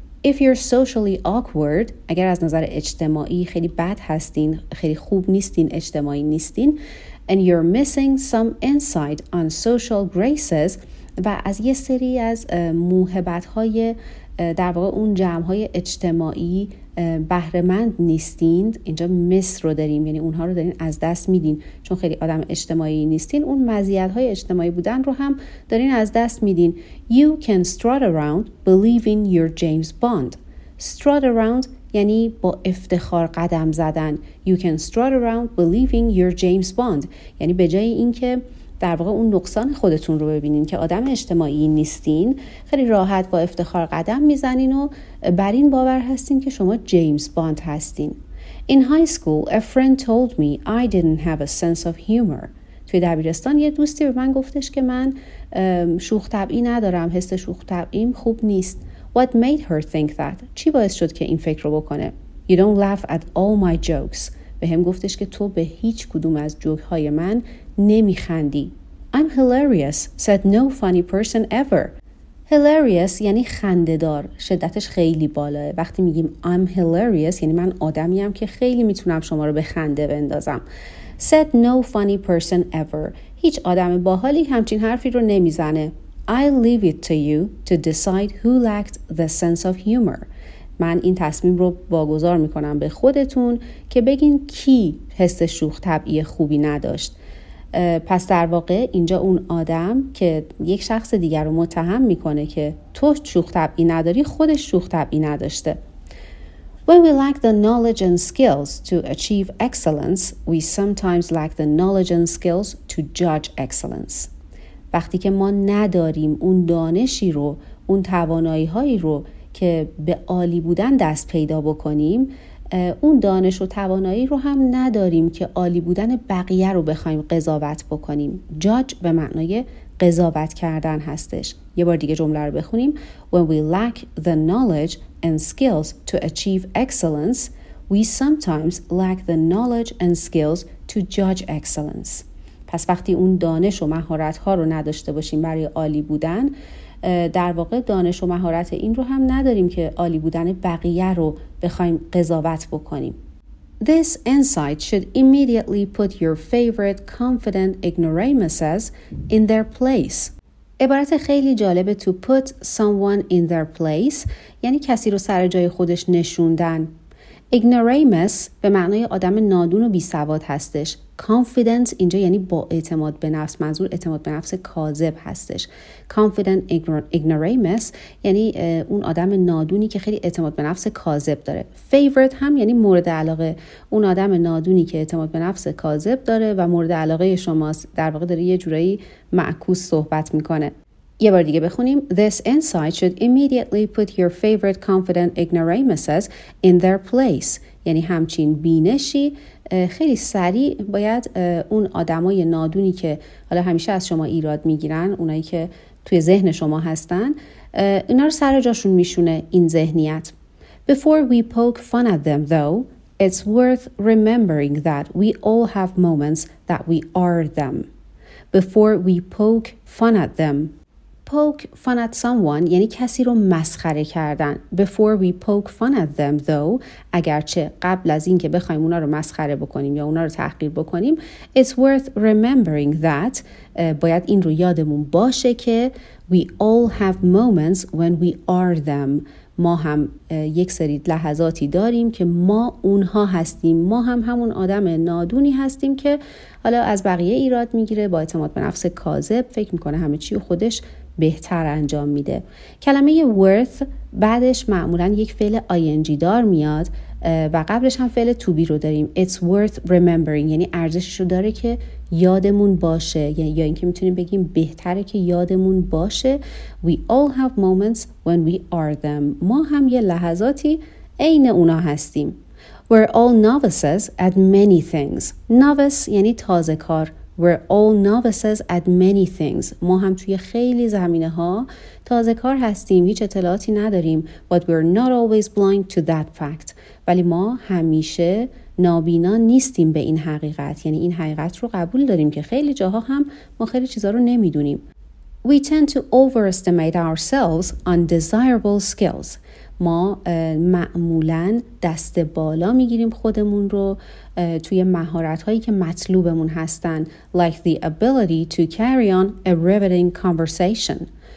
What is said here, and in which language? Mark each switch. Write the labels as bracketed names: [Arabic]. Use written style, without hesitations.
[English] if you're socially awkward، [Persian] اگر از نظر اجتماعی خیلی بد هستین، خیلی خوب نیستین، اجتماعی نیستین، [English] and you're missing some insight on social graces، [Persian] و از یه سری از موهبت های در واقع اون جمع های اجتماعی بهرمند نیستین، اینجا مس رو داریم، یعنی اونها رو دارین از دست میدین، چون خیلی آدم اجتماعی نیستین، اون مزیت های اجتماعی بودن رو هم دارین از دست میدین. [English] you can strut around believing you're James Bond. [Persian] strut around یعنی با افتخار قدم زدن. [English] you can strut around believing you're James Bond، [Persian] یعنی به جای اینکه در واقع اون نقصان خودتون رو ببینین که آدم اجتماعی نیستین، خیلی راحت با افتخار قدم میزنین و بر این باور هستین که شما جیمز باند هستین. [English] In high school a friend told me I didn't have a sense of humor. [Persian] توی دبیرستان یه دوستی به من گفتش که من شوخ طبعی ندارم، حس شوخ طبعیم خوب نیست. [English] What made her think that؟ [Persian] چی باعث شد که این فکر رو بکنه؟ [English] You don't laugh at all my jokes. [Persian] به هم گفتش که تو به هیچ کدوم از جوک های من نمیخندی. [English] I'm hilarious, said no funny person ever. [Persian] Hilarious یعنی خنده‌دار، شدتش خیلی بالاه. وقتی میگیم [English] I'm hilarious [Persian] یعنی من آدمیم که خیلی میتونم شما رو به خنده بندازم. [English] Said no funny person ever. [Persian] هیچ آدم باحالی همچین حرفی رو نمیزنه. [English] I leave it to you to decide who lacked the sense of humor. [Persian] من این تصمیم رو واگذار میکنم به خودتون که بگین کی حس شوخ طبعی خوبی نداشت. پس در واقع اینجا اون آدم که یک شخص دیگر رو متهم میکنه که تو شوخ طبعی نداری، خودش شوخ طبعی نداشته. [English] When we lack the knowledge and skills to achieve excellence, we sometimes lack the knowledge and skills to judge excellence. [Persian] وقتی که ما نداریم اون دانشی رو، اون توانایی هایی رو که به عالی بودن دست پیدا بکنیم، اون دانش و توانایی رو هم نداریم که عالی بودن بقیه رو بخوایم قضاوت بکنیم. جاج به معنای قضاوت کردن هستش. یه بار دیگه جمله رو بخونیم. [English] When we lack the knowledge and skills to achieve excellence, we sometimes lack the knowledge and skills to judge excellence. [Persian] پس وقتی اون دانش و مهارت‌ها رو نداشته باشیم برای عالی بودن، در واقع دانش و مهارت این رو هم نداریم که عالی بودن بقیه رو بخوایم قضاوت بکنیم. [English] This insight should immediately put your favorite confident ignoramuses in their place. [Persian] عبارت خیلی جالب [English] to put someone in their place [Persian] یعنی کسی رو سر جای خودش نشوندن. Ignoramus به معنای آدم نادون و بی‌سواد هستش. Confident اینجا یعنی با اعتماد به نفس، منظور اعتماد به نفس کاذب هستش. Confident ignoramus یعنی اون آدم نادونی که خیلی اعتماد به نفس کاذب داره. Favorite هم یعنی مورد علاقه، اون آدم نادونی که اعتماد به نفس کاذب داره و مورد علاقه شماست. در واقع داره یه جورایی معکوس صحبت میکنه. یه بار دیگه بخونیم. [English] This insight should immediately put your favorite confident ignoramuses in their place. [Persian] یعنی همچین بینشی خیلی سریع باید اون آدمای نادونی که حالا همیشه از شما ایراد میگیرن، اونایی که توی ذهن شما هستن، اینا رو سر جاشون میشونه این ذهنیت. [English] Before we poke fun at them though, it's worth remembering that we all have moments that we are them. Before we poke fun at them. Poke fun at someone [Persian] یعنی کسی رو مسخره کردن. [English] Before we poke fun at them though، [Persian] اگرچه قبل از این که بخوایم اونا رو مسخره بکنیم یا اونا رو تحقیر بکنیم، [English] it's worth remembering that، [Persian] باید این رو یادمون باشه که [English] we all have moments when we are them. [Persian] ما هم یک سری لحظاتی داریم که ما اونها هستیم. ما هم همون آدم نادونی هستیم که حالا از بقیه ایراد میگیره، با اعتماد به نفس کاذب، فکر میکنه همه چی خودش بهتر انجام میده. کلمه worth بعدش معمولا یک فعل ing دار میاد و قبلش هم فعل to be رو داریم. [English] It's worth remembering [Persian] یعنی ارزشش رو داره که یادمون باشه، یا اینکه میتونیم بگیم بهتره که یادمون باشه. [English] We all have moments when we are them. [Persian] ما هم یه لحظاتی عین اونا هستیم. [English] We're all novices at many things. Novice [Persian] یعنی تازه کار. [English] We're all novices at many things. [Persian] ما هم توی خیلی زمینه ها تازه کار هستیم، هیچ اطلاعاتی نداریم. [English] But we're not always blind to that fact. [Persian] ولی ما همیشه نابینا نیستیم به این حقیقت، یعنی این حقیقت رو قبول داریم که خیلی جاها هم ما خیلی چیزا رو نمیدونیم. [English] We tend to overestimate ourselves on desirable skills. [Persian] ما معمولا دست بالا میگیریم خودمون رو توی مهارت‌هایی که مطلوبمون هستن، [English] like the ability to carry on a riveting conversation.